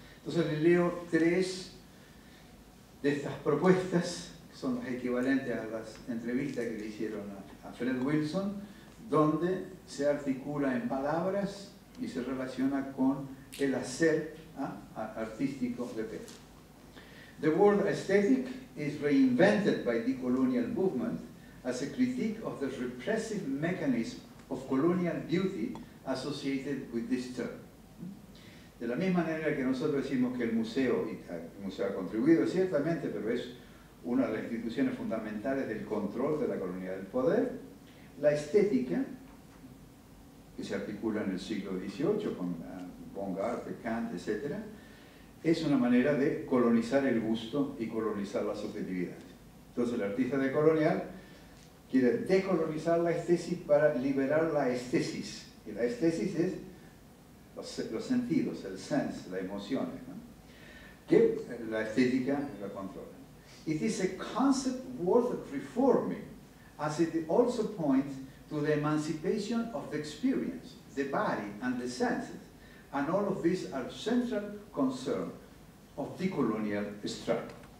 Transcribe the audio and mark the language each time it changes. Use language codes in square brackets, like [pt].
[es] Entonces le leo tres de estas propuestas, que son las equivalentes a las entrevistas que le hicieron a Fred Wilson, donde se articula en palabras y se relaciona con el hacer artístico de Pedro. [en] The world aesthetic is reinvented by the colonial movement as a critique of the repressive mechanism of colonial beauty associated with this term. [es] De la misma manera que nosotros decimos que el museo ha contribuido, ciertamente, pero es una de las instituciones fundamentales del control de la colonia del poder, la estética, que se articula en el siglo XVIII con Bongard, Kant, etc., es una manera de colonizar el gusto y colonizar la subjetividad. Entonces el artista decolonial quiere decolonizar la estesis para liberar la estesis. Y la estesis es los sentidos, el sense, las emociones, ¿no?, que la estética la controla. [en] It is a concept worth reforming, as it also points to the emancipation of the experience, the body and the senses, and all of these are central concern of the colonial struggle.